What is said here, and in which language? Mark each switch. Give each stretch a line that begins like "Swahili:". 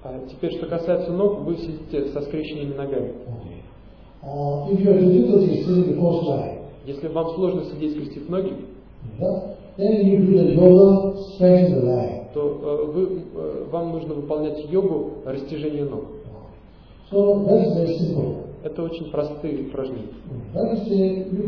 Russian: Теперь, что касается ног, вы сидите со скрещенными ногами.
English: If you have difficulty sitting the cross leg,
Russian: если вам сложно сидеть, скрестив ноги,
English: then you do the yoga, stretching the leg.
Russian: То вам нужно выполнять йогу, растяжение ног.
English: So, that's very simple.
Russian: Это очень простые упражнения.